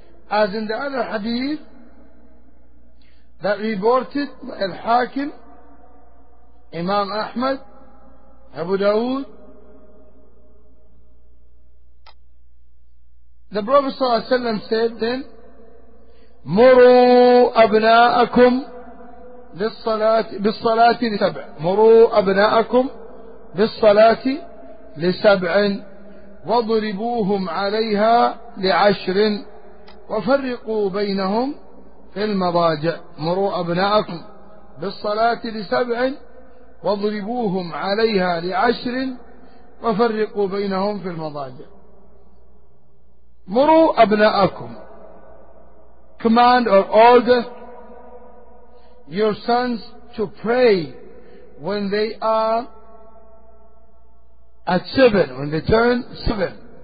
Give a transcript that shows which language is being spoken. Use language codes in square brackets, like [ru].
[en] As in the other hadith that reported by Al-Hakim, Imam Ahmad, Abu Dawood, the Prophet صلى الله عليه وسلم said then, [ar] مروا أبناءكم للصلاة بالصلاة لسبع. مروا أبناءكم بالصلاة لسبع وضربوهم عليها لعشر وفرقوا بينهم في المضاجع. مروا أبناءكم بالصلاة لسبع وضربوهم عليها لعشر وفرقوا بينهم في المضاجع. مروا أبناءكم, [en] command or order your sons to pray when they are at 7, when they turn 7.